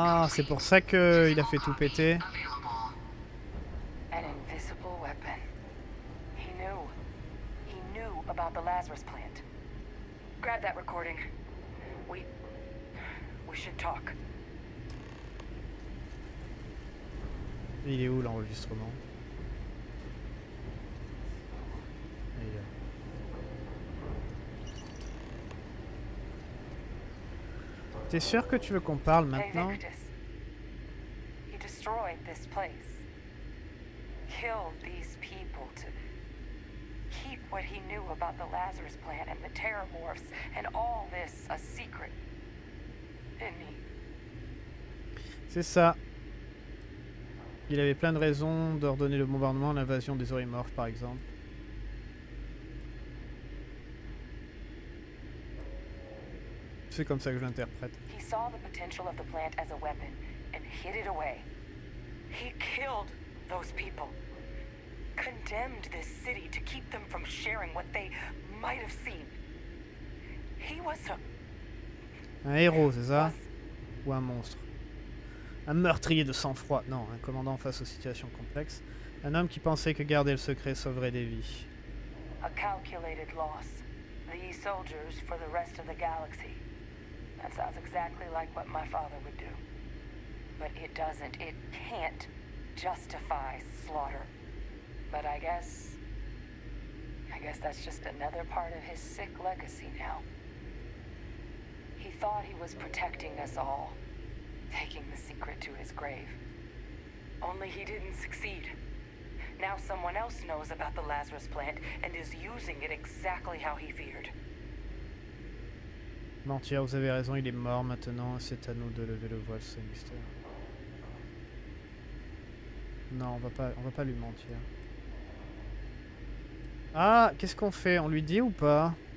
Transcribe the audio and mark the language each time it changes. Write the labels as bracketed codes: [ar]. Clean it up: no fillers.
[fr] C'est pour ça qu'il a fait tout péter. [en] An invisible weapon. He knew. He knew about the Lazarus plant. Grab that recording. We should talk. [fr] Il est où l'enregistrement? T'es sûr que tu veux qu'on parle maintenant? [en] Destroyed this place, killed these people to keep what he knew about the Lazarus plant and the Terramorphs and all this a secret, didn't he? [fr] C'est ça. Il avait plein de raisons d'ordonner le bombardement, l'invasion des Orimorphes par exemple. C'est comme ça que je l'interprète. [en] He saw the potential of the plant as a weapon and hid it away. He killed those people. Condemned this city to keep them from sharing what they might have seen. He was a... [fr] un héros, c'est ça? Ou un monstre? Un meurtrier de sang-froid, non, un commandant face aux situations complexes. Un homme qui pensait que garder le secret sauverait des vies. [en] A calculated loss. These soldiers for the rest of the galaxy. That sounds exactly like what my father would do. But it doesn't, it can't justify slaughter. But I guess that's just another part of his sick legacy now. He thought he was protecting us all. Taking the secret to his grave. Only he didn't succeed. Now someone else knows about the Lazarus plant and is using it exactly how he feared. [fr] Mentir, vous avez raison, il est mort maintenant, c'est à nous de lever le voile sinistre. Non, on va pas lui mentir. Ah, qu'est-ce qu'on fait? On lui dit ou pas?